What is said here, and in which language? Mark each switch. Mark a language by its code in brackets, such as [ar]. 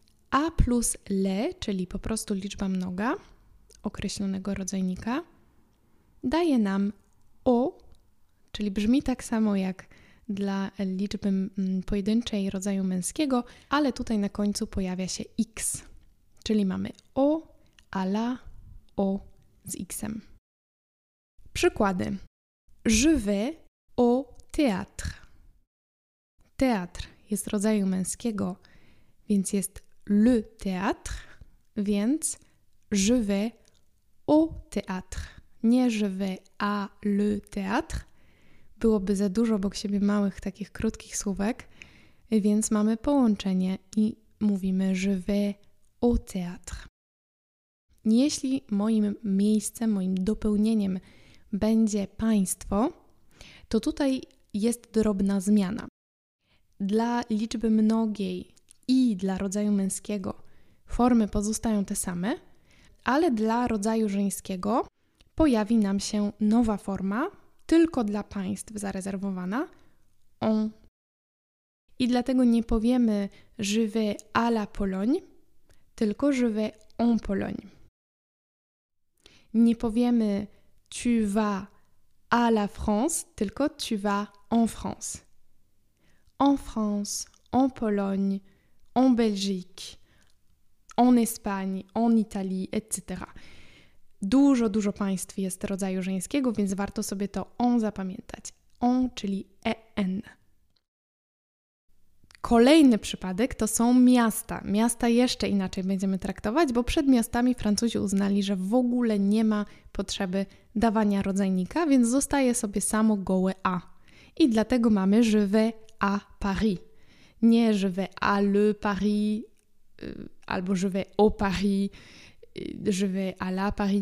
[fr] A plus le, [pl] czyli po prostu liczba mnoga określonego rodzajnika, daje nam o, czyli brzmi tak samo jak dla liczby pojedynczej rodzaju męskiego, ale tutaj na końcu pojawia się x, czyli mamy o, a la, o z x-em. Przykłady. [fr] Je vais au théâtre. [pl] Teatr jest rodzaju męskiego, więc jest [fr] le théâtre, [pl] więc [fr] je vais au théâtre. [pl] Nie [fr] je vais à le théâtre. [pl] Byłoby za dużo obok siebie małych takich krótkich słówek, więc mamy połączenie i mówimy [fr] je vais au théâtre. [pl] Jeśli moim miejscem, moim dopełnieniem będzie państwo, to tutaj jest drobna zmiana. Dla liczby mnogiej i dla rodzaju męskiego formy pozostają te same, ale dla rodzaju żeńskiego pojawi nam się nowa forma, tylko dla państw zarezerwowana, on. I dlatego nie powiemy [fr] je vais à la Pologne, [pl] tylko [fr] je vais en Pologne. [pl] Nie powiemy [fr] tu vas à la France, [pl] tylko [fr] tu vas en France. En France, en Pologne, en Belgique, en Espagne, en Italie, etc. [pl] Dużo, dużo państw jest rodzaju żeńskiego, więc warto sobie to on zapamiętać. On, czyli en. Kolejny przypadek to są miasta. Miasta jeszcze inaczej będziemy traktować, bo przed miastami Francuzi uznali, że w ogóle nie ma potrzeby dawania rodzajnika, więc zostaje sobie samo gołe a. I dlatego mamy [fr] je vais à Paris. [pl] Nie [fr] je vais à le Paris, [pl] albo [fr] je vais au Paris, je vais à la Paris.